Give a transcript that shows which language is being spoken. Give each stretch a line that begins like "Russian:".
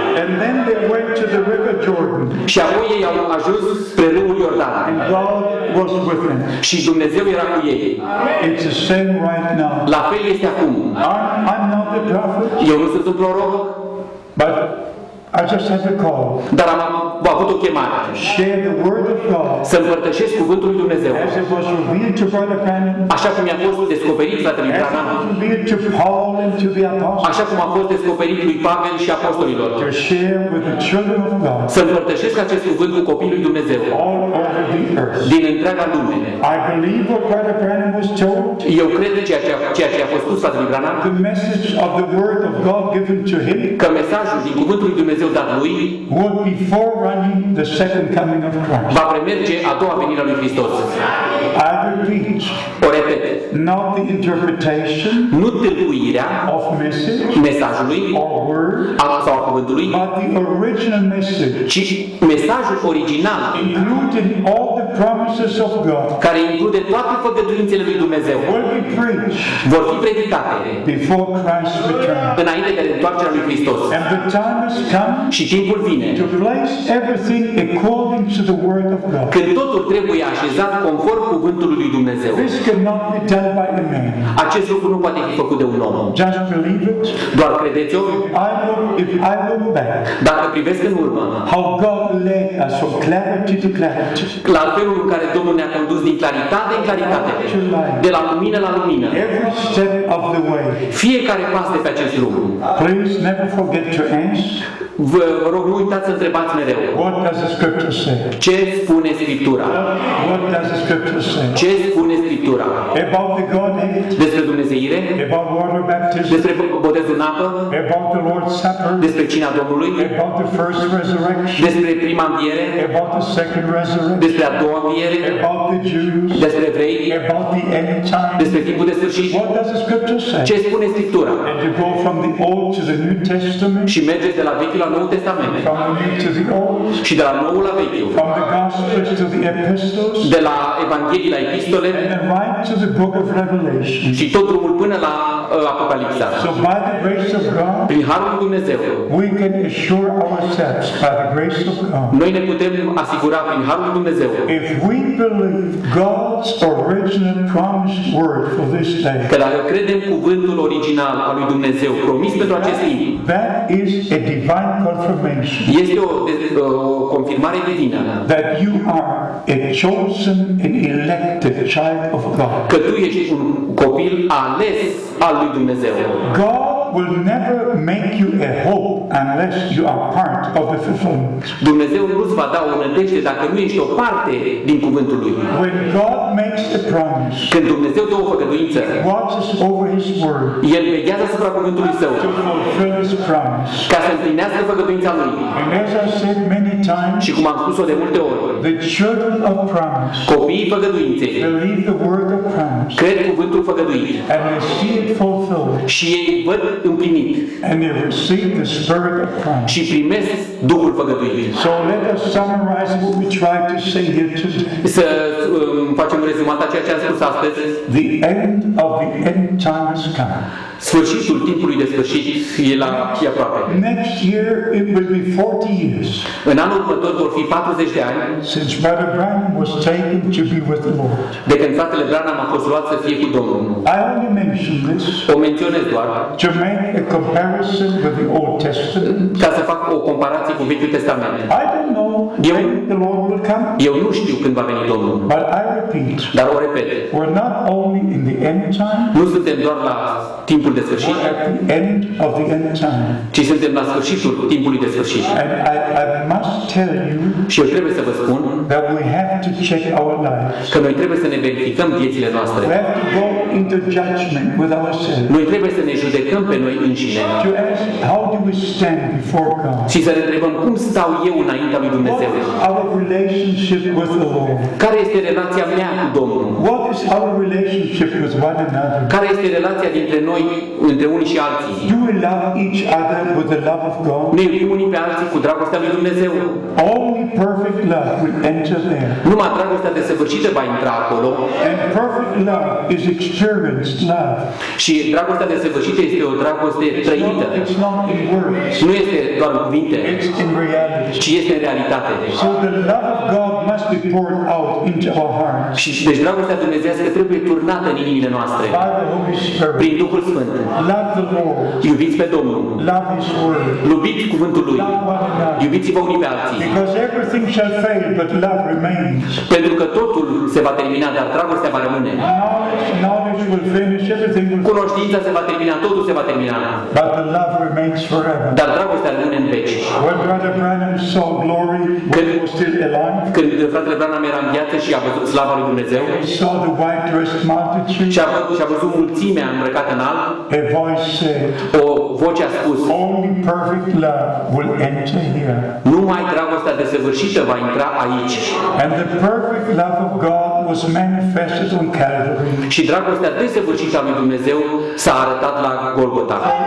English: And then they went to the river Jordan.
Romanian: Și apoi ei au ajuns spre râul Iordan.
English: And God was with them.
Romanian: Și Dumnezeu era cu ei.
English: It's the same right now.
Romanian: La fel este acum.
English: I'm not the prophet.
Romanian: Eu nu sunt un proroc.
English: But I just had a call.
Romanian: Dar am avut o chemare.
English: Share the word of God.
Romanian: Să împărtășesc cuvântul lui Dumnezeu.
English: As it was revealed to Brother Branham.
Romanian: Așa cum i-a fost descoperit fratelui Branham.
English: As it was revealed to Paul and to the apostles.
Romanian: Așa cum a fost descoperit lui Pavel și apostolilor.
English: To share with the children of God.
Romanian: Să împărtășesc acest cuvânt cu copiii lui Dumnezeu.
English: All over the earth.
Romanian: Din întreaga lume.
English: I believe what Brother Branham was told.
Romanian: Eu cred în ceea ce a fost spus la Branham.
English: The message of the word of God given to him.
Romanian: Că mesajul din cuvântul lui Dumnezeu dat lui.
English: Would be forerunning the second coming of Christ.
Romanian: Va premerge a doua venire a lui Hristos.
English: I repeat.
Romanian: O repet.
English: Not the interpretation.
Romanian: Nu tâlcuirea
English: of message.
Romanian: Mesajului.
English: Or word.
Romanian: Sau a cuvântului.
English: But the original message.
Romanian: Ci mesajul original.
English: Included all the promises of God.
Romanian: Care include toate făgăduințele lui Dumnezeu. Vor fi predicate
English: before Christ returns.
Romanian: Înainte de întoarcerea lui Hristos.
English: And the time has come.
Romanian: Și timpul vine.
English: To place everything according to the word of God.
Romanian: Când totul trebuie așezat conform cuvântului lui Dumnezeu.
English: This cannot be done by a man.
Romanian: Acest lucru nu poate fi făcut de un om.
English: Just believe it.
Romanian: Doar credeți-o.
English: If I look back.
Romanian: Dacă privesc în urmă.
English: How God led us from clarity to clarity.
Romanian: La felul în care Domnul ne-a condus din claritate în claritate. De la lumină la lumină.
English: Every step of the way.
Romanian: Fiecare pas de pe acest drum.
English: Please never forget to ask.
Romanian: Vă rog, nu uitați să întrebați mereu.
English: What does the scripture say?
Romanian: Ce spune Scriptura?
English: What does the scripture say?
Romanian: Ce spune Scriptura?
English: About the Godhead.
Romanian: Despre Dumnezeire.
English: About water baptism.
Romanian: Despre botezul în apă.
English: About the Lord's Supper.
Romanian: Despre cina Domnului.
English: About the first resurrection.
Romanian: Despre prima înviere.
English: About the second resurrection.
Romanian: Despre a doua înviere.
English: About the Jews.
Romanian: Despre evrei.
English: About the end time.
Romanian: Despre timpul de sfârșit.
English: What does the scripture say?
Romanian: Ce spune Scriptura?
English: And you go from the Old to the New Testament.
Romanian: Și mergeți de la Vechi la Noul Testament.
English: From the New to the Old.
Romanian: Și de la Noul la Vechiul.
English: From the Gospels to the Epistles.
Romanian: De la Evanghelii la Epistole.
English: And then right to the Book of Revelation.
Romanian: Și tot drumul până la Apocalipsa.
English: So by the grace of God.
Romanian: Prin harul lui Dumnezeu.
English: We can assure ourselves by the grace of God.
Romanian: Noi ne putem asigura prin harul lui Dumnezeu.
English: If we believe God's original promised word for this day.
Romanian: Că dacă credem cuvântul original al lui Dumnezeu promis pentru acest timp.
English: That is a divine confirmation.
Romanian: Este o confirmare divină.
English: That you are a chosen and elected child of God.
Romanian: Că tu ești un copil ales al lui Dumnezeu.
English: God will never make you a hope unless you are part of the fulfillment.
Romanian: Dumnezeu nu îți va da o nădejde dacă nu ești o parte din cuvântul lui.
English: When God makes a promise.
Romanian: Când Dumnezeu dă o făgăduință.
English: Watches over his word.
Romanian: El veghează asupra cuvântului său.
English: To fulfill his promise.
Romanian: Ca să împlinească făgăduința lui.
English: And as I said many times.
Romanian: Și cum am spus-o de multe ori.
English: The children of promise.
Romanian: Copiii făgăduinței.
English: Believe the word of promise.
Romanian: Cred cuvântul făgăduinței.
English: And they see it fulfilled.
Romanian: Și ei văd împlinit.
English: And they receive the spirit of Christ.
Romanian: Și primesc Duhul Făgăduirii.
English: So let us summarize what we tried to say here today.
Romanian: Să facem rezumat ceea ce am spus astăzi.
English: The end of the end times come.
Romanian: Sfârșitul timpului de sfârșit e la fi aproape.
English: Next year it will be 40 years.
Romanian: În anul următor vor fi 40 de ani.
English: Since Brother Branham was taken to be with the Lord.
Romanian: De când fratele Branham a fost luat să fie cu Domnul.
English: I only mention this.
Romanian: O menționez doar.
English: To make a comparison with the Old Testament.
Romanian: Ca să fac o comparație cu Vechiul Testament.
English: I don't know when the Lord will come.
Romanian: Eu nu știu când va veni Domnul.
English: But I repeat.
Romanian: Dar o repet.
English: We're not only in the end time.
Romanian: Nu suntem doar la timp. Timpul de sfârșit.
English: End of the end time.
Romanian: Ci suntem la sfârșitul timpului de sfârșit.
English: And I must tell you.
Romanian: Și eu trebuie să vă spun.
English: That we have to check our lives.
Romanian: Că noi trebuie să ne verificăm viețile noastre.
English: We have to go into judgment with ourselves.
Romanian: Noi trebuie să ne judecăm pe noi înșine.
English: To ask how do we stand before God.
Romanian: Și să ne întrebăm cum stau eu înaintea lui Dumnezeu.
English: What is our relationship with the Lord?
Romanian: Care este relația mea cu Domnul?
English: What is our relationship with one another?
Romanian: Care este relația dintre noi între unii și alții?
English: Do we love each other with the love of God?
Romanian: Ne iubim unii pe alții cu dragostea lui Dumnezeu?
English: Only perfect love will enter there.
Romanian: Numai dragostea desăvârșită va intra acolo.
English: And perfect love is experienced love.
Romanian: Și dragostea desăvârșită este o dragoste trăită.
English: It's not in words.
Romanian: Nu este doar cuvinte.
English: It's in reality.
Romanian: Ci este în realitate.
English: So the love of God must be poured out into our hearts.
Romanian: Și deci dragostea dumnezeiască trebuie turnată în inimile noastre.
English: By the Holy Spirit. Love the Lord.
Romanian: Iubiți pe Domnul.
English: Love His word.
Romanian: Iubiți cuvântul lui. Iubiți-vă unii pe alții.
English: Because everything shall fail, but love remains.
Romanian: Pentru că totul se va termina, dar dragostea va rămâne.
English: Knowledge knowledge will finish, everything will finish.
Romanian: Cunoștința se va termina, totul se va termina.
English: But the love remains forever.
Romanian: Dar dragostea rămâne în veci.
English: When Brother Branham saw glory, when he was still alive,
Romanian: când fratele Branham era în viață și a văzut slava lui Dumnezeu,
English: he saw the white-dressed multitude,
Romanian: și a văzut mulțimea îmbrăcată în alb,
English: a voice said,
Romanian: o voce a spus,
English: only perfect love will enter here.
Romanian: Numai dragostea desăvârșită va intra aici.
English: And the perfect love of God was manifested on Calvary.
Romanian: Și dragostea desăvârșită a lui Dumnezeu s-a arătat la Golgota.